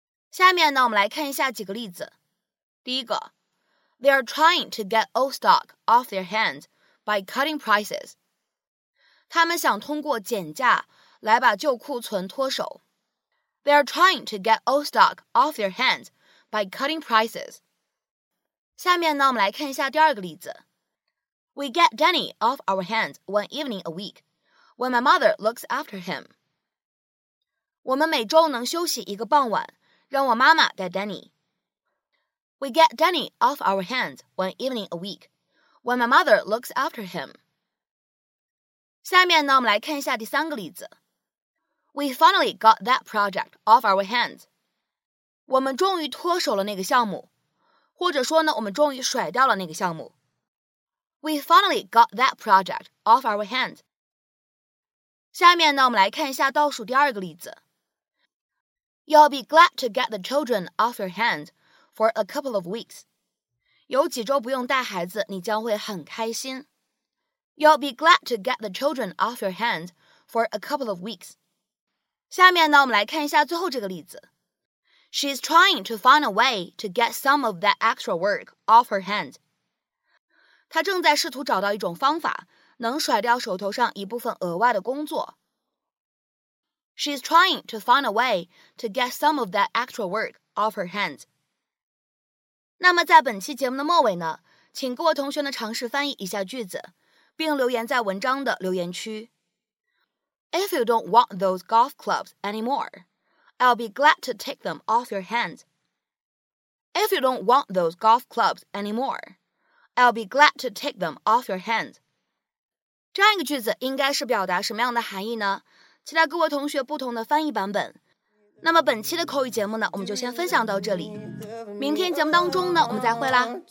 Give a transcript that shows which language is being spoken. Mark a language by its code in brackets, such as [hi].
[zh] 下面呢，我们来看一下几个例子。第一个 [en] They are trying to get old stock off their hands by cutting prices. [zh] 他们想通过减价来把旧库存脱手。 [en] They are trying to get old stock off their hands by cutting prices. [zh] 下面呢，我们来看一下第二个例子。 [en] We get Danny off our hands one evening a week when my mother looks after him. [zh] 我们每周能休息一个傍晚，让我妈妈带 Danny。 [en] We get Danny off our hands one evening a week when my mother looks after him. [zh] 下面呢，我们来看一下第三个例子。 [en] We finally got that project off our hands. [zh] 我们终于脱手了那个项目，或者说呢，我们终于甩掉了那个项目。 [en] We finally got that project off our hands. [zh] 下面呢，我们来看一下倒数第二个例子。 [en] You'll be glad to get the children off your hands. For a couple of weeks. [zh] 有几周不用带孩子，你将会很开心。 [en] You'll be glad to get the children off your hands for a couple of weeks. [zh] 下面呢，我们来看一下最后这个例子。 [en] She's trying to find a way to get some of that extra work off her hands. [zh] 她正在试图找到一种方法，能甩掉手头上一部分额外的工作。 [en] She's trying to find a way to get some of that extra work off her hands. [zh] 那么在本期节目的末尾呢，请各位同学呢尝试翻译一下句子，并留言在文章的留言区。 [en] If you don't want those golf clubs anymore, I'll be glad to take them off your hands. If you don't want those golf clubs anymore, I'll be glad to take them off your hands. [zh] 这样一个句子应该是表达什么样的含义呢？期待各位同学不同的翻译版本。那么本期的口语节目呢，我们就先分享到这里。明天节目当中呢，我们再会啦。